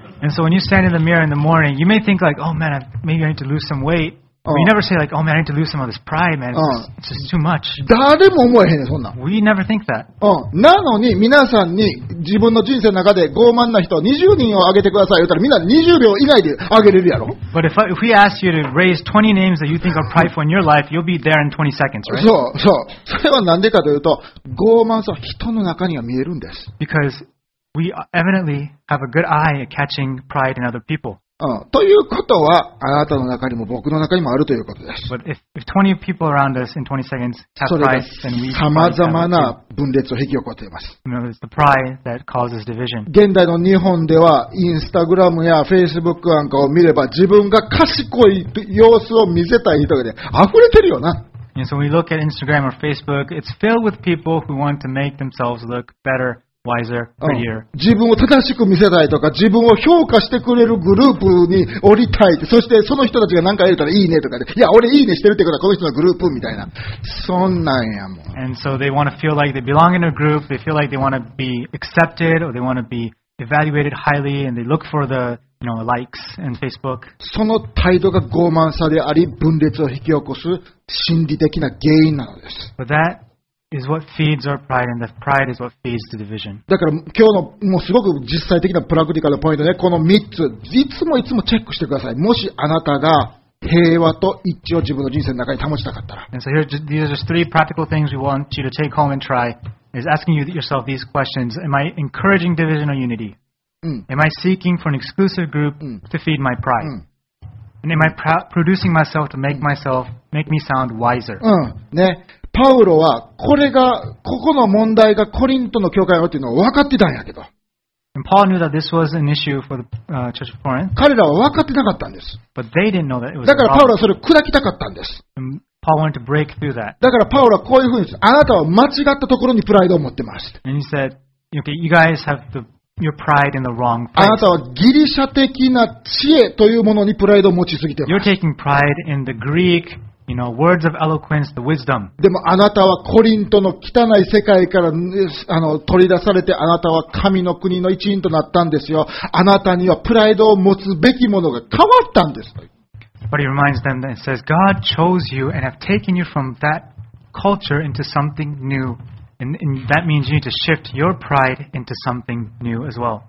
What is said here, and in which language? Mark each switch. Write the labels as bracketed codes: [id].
[en] And so when you stand in the mirror in the morning, you may think like, oh man, maybe I need to lose some weight. We never say like, oh man, I need to lose some of this pride, man. It's just too much. [ja] 誰も思えへんねんそんな。 [en] We never think that. [ja] なのに皆さんに自分の人生の中で傲慢な人20人を挙げてください言ったらみんな20秒以内で挙げれるやろ。 [en] But if we ask you to raise 20 names that you think are prideful in your life, you'll be there in 20 seconds, right? [ja] そうそう。それはなんでかというと傲慢さは人の中には見えるんです。 [en] Because we evidently have a good eye at catching pride in other people. [ja] ということはあなたの中にも僕の中にもあるということです。 [en] But if 20 people around us in 20 seconds have pride, then we [ja] さまざまな分裂を引き起こしています。 [en] It's the pride that causes division. [ja] 現代の日本ではインスタグラムやフェイスブックなんかを見れば自分が賢い様子を見せたい人で溢れてるよな。 [en] And so we look at Instagram or Facebook, it's filled with people who want to make themselves look better. Wiser, prettier. [ja] 自分を正しく見せたいとか自分を評価してくれるグループに降りたいってそしてその人たちが何か言ったらいいねとかでいや俺いいねしてるってことはこの人のグループみたいなそんなんやもん [en] And so they want to feel like they belong in a group they feel like they want to be accepted or they want to be evaluated highly and they look for the you know, likes and Facebook. [ja] その態度が傲慢さであり、分裂を引き起こす心理的な原因なのです。 [en] But that is what feeds our pride, and the pride is what feeds the division. [ja] だから今日のもうすごく実際的なプラクティカルポイントね、この3つ、いつもいつもチェックしてください。もしあなたが平和と一致を自分の人生の中に保ちたかったら。 [en] And so here, these are just three practical things we want you to take home and try. Is asking yourself these questions: Am I encouraging division or unity? Am I seeking for an exclusive group to feed my pride? And am I producing myself to make myself make me sound wiser? [ja] ね、パウロはこれがここの問題がコリントの教会だっていうのを分かってたんやけど。 [en] And Paul knew that this was an issue for the church of Corinth. [ja] 彼らは分かってなかったんです。 [en] But they didn't know that it was. [ja] だからパウロはそれを砕きたかったんです。 [en] And Paul wanted to break through that. [ja] だからパウロはこういうふうに、あなたは間違ったところにプライドを持ってます。 [en] And he said, okay, you guys have theYour pride in the wrong place. [ja] あなたはギリシャ的な知恵というものにプライドを持ちすぎてます。 [en] You're taking pride in the Greek, you know, words of eloquence, the wisdom. [ja] でもあなたはコリントの汚い世界から取り出されて、あなたは神の国の一員となったんですよ。あなたにはプライドを持つべきものが変わったんです。 [en] But he reminds them that it says, God chose you and have taken you from that culture into something new. And that means you need to shift your pride into something new as well.